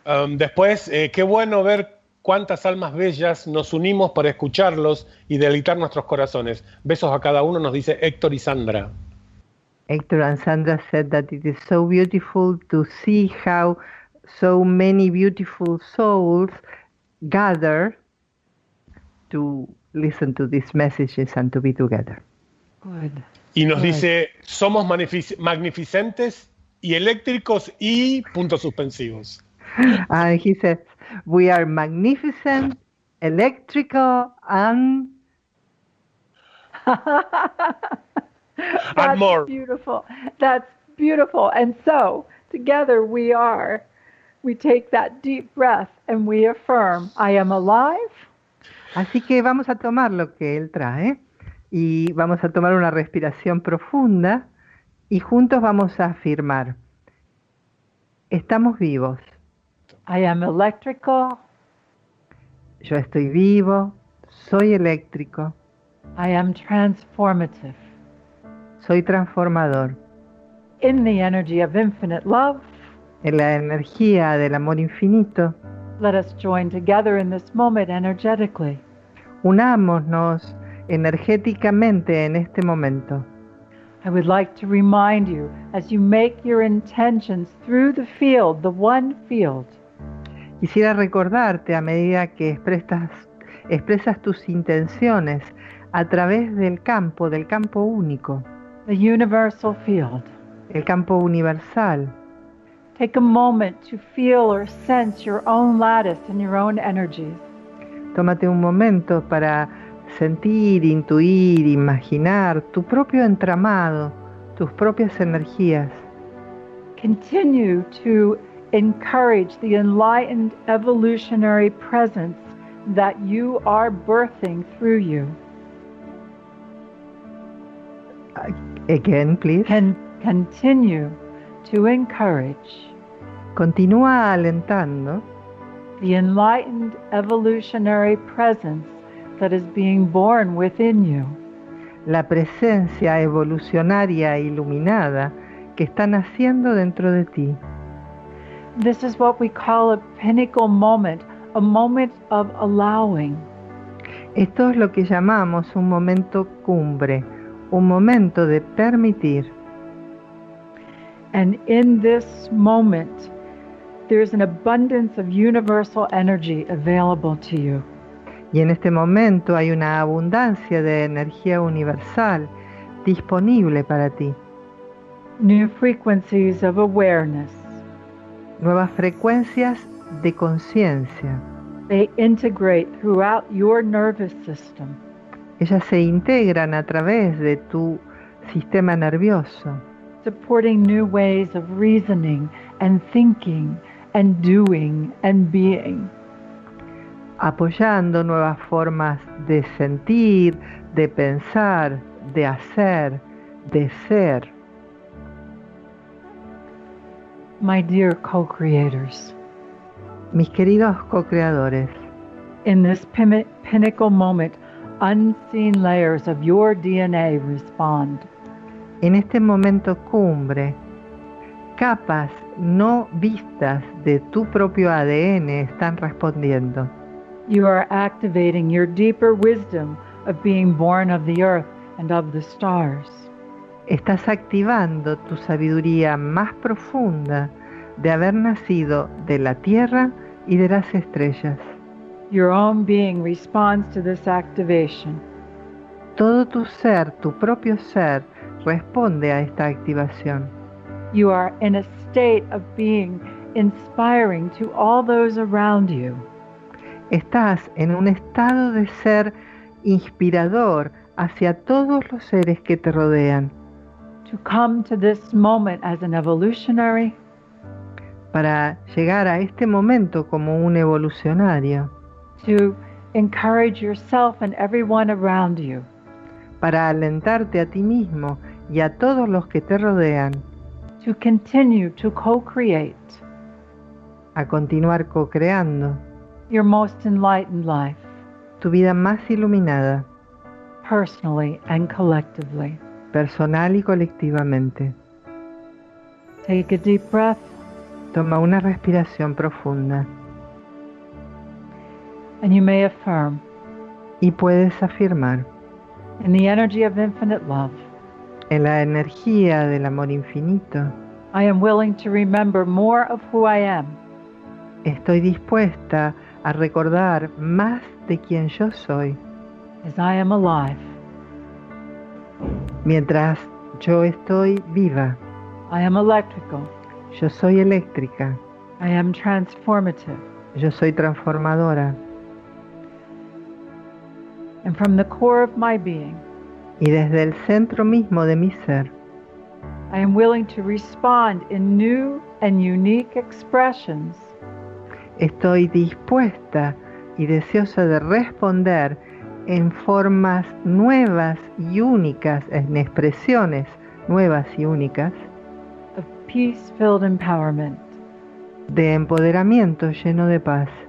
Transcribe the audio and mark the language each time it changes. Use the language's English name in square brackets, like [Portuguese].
[Spanish] Después, qué bueno ver cuántas almas bellas nos unimos para escucharlos y deleitar nuestros corazones. Besos a cada uno, nos dice Héctor y Sandra. [English] Héctor and Sandra said that it is so beautiful to see how so many beautiful souls gather to listen to these messages and to be together. Good. [Spanish] Y nos dice, somos magnificentes y eléctricos y puntos suspensivos. [English] And he says, we are magnificent, electrical, and... and more. Beautiful. That's beautiful. And so, together we are. We take that deep breath and we affirm, I am alive. [Spanish] Así que vamos a tomar lo que él trae y vamos a tomar una respiración profunda y juntos vamos a afirmar, estamos vivos. [English] I am electrical. [Spanish] Yo estoy vivo, soy eléctrico. [English] I am transformative. [Spanish] Soy transformador. [English] In the energy of infinite love. [Spanish] En la energía del amor infinito. [English] Let us join together in this moment energetically. [Spanish] Unámonos energéticamente en este momento. [English] I would like to remind you as you make your intentions through the field, the one field. [Spanish] Quisiera recordarte a medida que expresas tus intenciones a través del campo único. [English] The universal field. [Spanish] El campo universal. [English] Take a moment to feel or sense your own lattice and your own energies. [Spanish] Tómate un momento para sentir, intuir, imaginar tu propio entramado, tus propias energías. [English] Continue to encourage the enlightened evolutionary presence that you are birthing through you. Again, please. Continue to encourage. [Spanish] Continúa alentando [English] the enlightened evolutionary presence that is being born within you. [Spanish] La presencia evolucionaria iluminada que está naciendo dentro de ti. [English] This is what we call a pinnacle moment, a moment of allowing. [Spanish] Esto es lo que llamamos un momento cumbre, un momento de permitir. [English] And in this moment, there is an abundance of universal energy available to you. [Spanish] Y en este momento hay una abundancia de energía universal disponible para ti. [English] New frequencies of awareness. [Spanish] Nuevas frecuencias de conciencia. [English] They integrate throughout your nervous system. [Spanish] Ellas se integran a través de tu sistema nervioso. [English] Supporting new ways of reasoning and thinking. And doing and being. [Spanish] Apoyando nuevas formas de sentir, de pensar, de hacer, de ser. [English] My dear co-creators. [Spanish] Mis queridos co-creadores. [English] In this pinnacle moment, unseen layers of your DNA respond. [Spanish] En este momento cumbre, capas no vistas de tu propio ADN están respondiendo. [English] You are activating your deeper wisdom of being born of the earth and of the stars. [Spanish] estás activando tu sabiduría más profunda de haber nacido de la tierra y de las estrellas. [English] Your own being responds to this activation. [Spanish] Todo tu ser, tu propio ser, responde a esta activación. [English] You are in a state of being inspiring to all those around you. [Spanish] Estás en un estado de ser inspirador hacia todos los seres que te rodean. [English] To come to this moment as an evolutionary. [Spanish] Para llegar a este momento como un evolucionario. [English] To encourage yourself and everyone around you. [Spanish] Para alentarte a ti mismo y a todos los que te rodean. [English] To continue to co-create. [Spanish] A continuar co-creando. [English] Your most enlightened life. [Spanish] Tu vida más iluminada. [English] Personally and collectively. [Spanish] Personal y colectivamente. [English] Take a deep breath. [Spanish] Toma una respiración profunda. [English] And you may affirm. [Spanish] Y puedes afirmar. [English] In the energy of infinite love. [Spanish] En la energía del amor infinito. [English] I am willing to remember more of who I am. [Spanish] Estoy dispuesta a recordar más de quien yo soy. [English] As I am alive. [Spanish] Mientras yo estoy viva. [English] I am electrical. [Spanish] Yo soy eléctrica. [English] I am transformative. [Spanish] Yo soy transformadora. [English] And from the core of my being. [Spanish] Y desde el centro mismo de mi ser. [English] I am willing to respond in new and unique expressions. [Spanish] Estoy dispuesta y deseosa de responder en formas nuevas y únicas, en expresiones nuevas y únicas. [English] Of peace-filled empowerment. [Spanish] De empoderamiento lleno de paz.